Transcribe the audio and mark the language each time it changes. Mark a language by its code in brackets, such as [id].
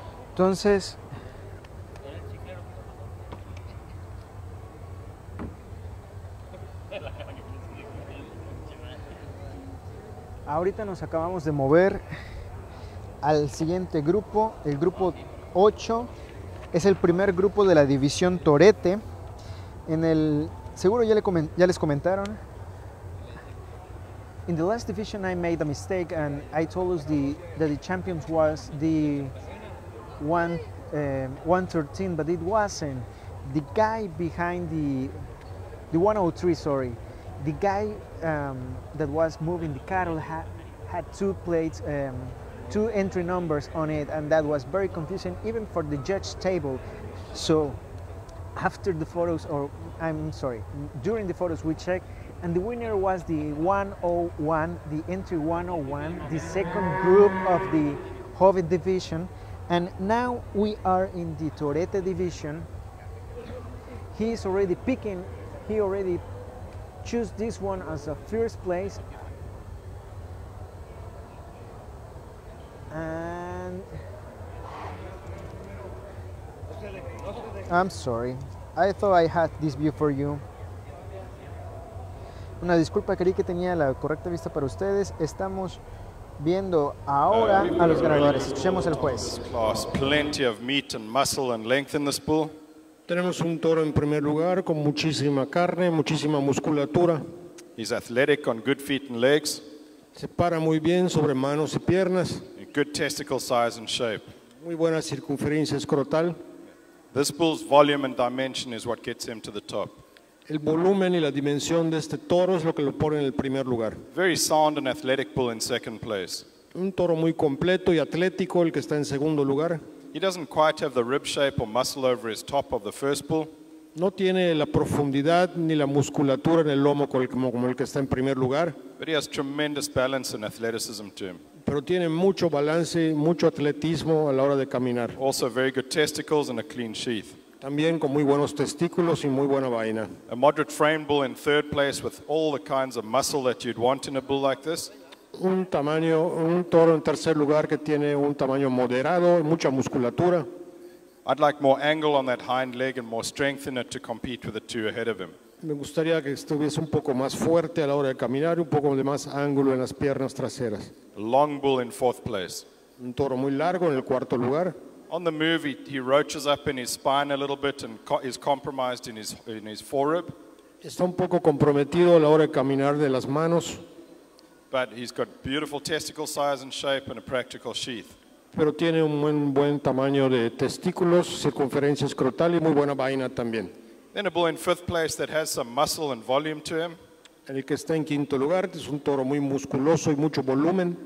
[es] Entonces, ahorita nos acabamos de mover al siguiente grupo, el grupo 8, es el primer grupo de la división Torete. En el, seguro ya les comentaron. [en] In the last division I made a mistake and I told us that the champions was the 113, but it wasn't. The guy behind the 103, sorry. The guy that was moving the cattle had two plates, two entry numbers on it, and that was very confusing even for the judge table. So after the photos, or I'm sorry, during the photos we checked, and the winner was the 101, the entry 101, the second group of the Hove division. And now we are in the Torete division. He's already picking, he already choose this one as a first place, and I'm sorry, I thought I had this view for you. [es] Una disculpa, creí que tenía la correcta vista para ustedes. Estamos viendo ahora a los ganadores. Escuchemos al juez. [en] Plenty of meat and muscle and length in this bull. [es] Tenemos un toro en primer lugar con muchísima carne, muchísima musculatura. [en] He's athletic on good feet and legs. [es] Se para muy bien sobre manos y piernas. [en] A good testicle size and shape. [es] Muy buena circunferencia escrotal. [en] This bull's volume and dimension is what gets him to the top. [es] El volumen y la dimensión de este toro es lo que lo pone en el primer lugar. [en] Very sound and athletic bull in second place. [es] Un toro muy completo y atlético el que está en segundo lugar. [en] He doesn't quite have the rib shape or muscle over his top of the first bull. [es] No tiene la profundidad ni la musculatura en el lomo como el que está en primer lugar. [en] But he has tremendous balance and athleticism to him. [es] Pero tiene mucho balance, mucho atletismo a la hora de caminar. [en] Also very good testicles and a clean sheath. [es] También con muy buenos testículos y muy buena vaina. [en] A moderate frame bull in third place with all the kinds of muscle that you'd want in a bull like this. [es] Un tamaño, un toro en tercer lugar que tiene un tamaño moderado, mucha musculatura. [en] I'd like more angle on that hind leg and more strength in it to compete with the two ahead of him. [es] Me gustaría que estuviese un poco más fuerte a la hora de caminar, un poco de más ángulo en las piernas traseras. [en] Long bull in fourth place. [es] Un toro muy largo en el cuarto lugar. [en] On the move, he roaches up in his spine a little bit and is compromised in his forerib. [es] Está un poco comprometido a la hora de caminar de las manos. [en] But he's got beautiful testicle size and shape and a practical sheath. [es] Pero tiene un buen tamaño de testículos, circunferencia escrotal y muy buena vaina también. [en] Then a bull in fifth place that has some muscle and volume to him. [es] El que está en quinto lugar es un toro muy musculoso y mucho volumen.